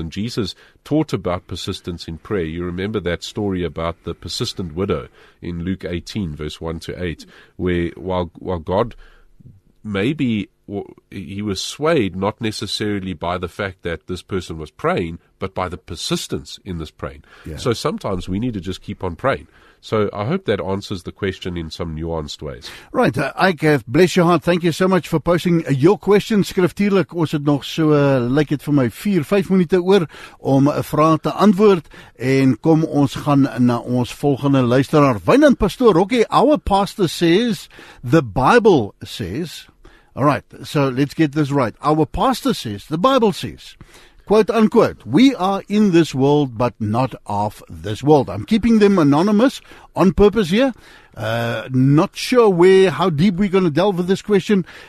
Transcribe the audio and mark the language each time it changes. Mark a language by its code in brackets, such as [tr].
[en] And Jesus taught about persistence in prayer. You remember that story about the persistent widow in Luke 18, verse 1 to 8, where while God maybe he was swayed, not necessarily by the fact that this person was praying, but by the persistence in this praying. Yeah. So sometimes we need to just keep on praying. So I hope that answers the question in some nuanced ways. Right. Ike, bless your heart. Thank you so much for posting your question. [af] Skriftuurlijk was het nog so, like het vir my 4-5 minute oor om een vraag te antwoord. En kom, ons gaan na ons volgende luisteraar. [en] Wynand Pastoor, okay, our pastor says, the Bible says, all right, so let's get this right. Our pastor says, the Bible says, quote unquote, we are in this world, but not of this world. I'm keeping them anonymous on purpose here. Not sure how deep we're going to delve with this question.